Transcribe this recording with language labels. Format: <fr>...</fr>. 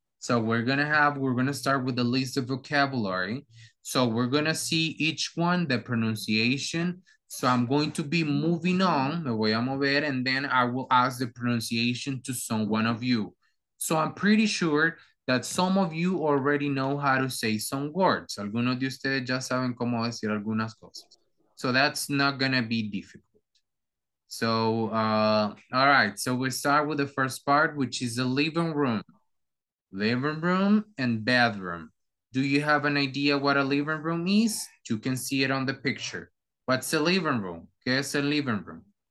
<en>So we're going to have, we're going to start with the list of vocabulary. So we're going to see each one, the pronunciation. So I'm going to be moving on,</en> <es>me voy a mover,</es> <en>and then I will ask the pronunciation to someone of you. So I'm pretty sure that some of you already know how to say some words.</en> <es>Algunos de ustedes ya saben cómo decir algunas cosas.</es> <en>So that's not going to be difficult. So, all right. So we start with the first part, which is the living room. Living room and bedroom. Do you have an idea what a living room is? You can see it on the picture. What's a living room?</en> <es>¿Qué es el living room?</es>